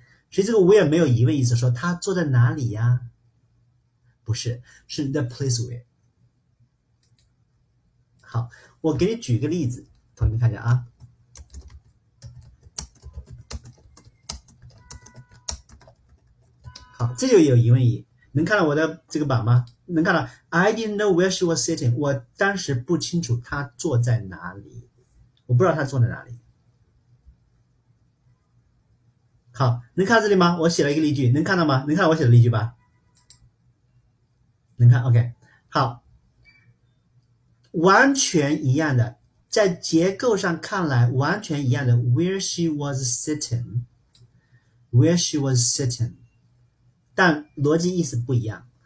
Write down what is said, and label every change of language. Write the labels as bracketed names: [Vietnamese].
[Chinese] 所以这个 where 没有疑问意思，说他坐在哪里呀？不是，是 the place where。好，我给你举个例子，同学们看一下啊。好，这就有疑问意，能看到我的这个板吗？能看到？ [English] I didn't know where she was sitting。 [Chinese] 我当时不清楚她坐在哪里，我不知道她坐在哪里。好，能看到这里吗？我写了一个例句，能看到吗？能看到我写的例句吧？能看，OK，好，完全一样的，在结构上看来完全一样的， [English] where she was sitting， [Chinese] where she was sitting，但逻辑意思不一样。